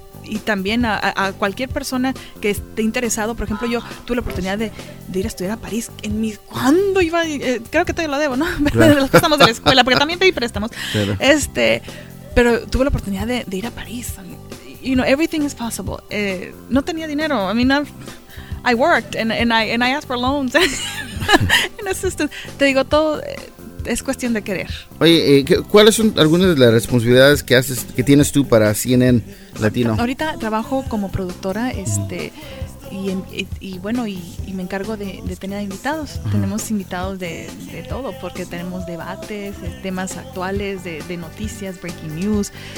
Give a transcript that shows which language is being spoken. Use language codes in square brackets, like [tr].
[es] Y también a cualquier persona que esté interesado, por ejemplo, yo tuve la oportunidad de ir a estudiar a París. ¿Cuándo iba? Creo que te lo debo, ¿no? Claro. Los préstamos de la escuela, porque también pedí préstamos. Claro. Pero tuve la oportunidad de ir a París. [en] You know, everything is possible. [es] No tenía dinero. [en] I mean, I worked and I asked for loans and assisted. [es] Te digo, todo es cuestión de querer. Oye, ¿cuáles son algunas de las responsabilidades que haces, que tienes tú para CNN Latino? Ahorita trabajo como productora, y me encargo de tener invitados. Uh-huh. Tenemos invitados de todo, porque tenemos debates, temas actuales, de noticias, breaking news.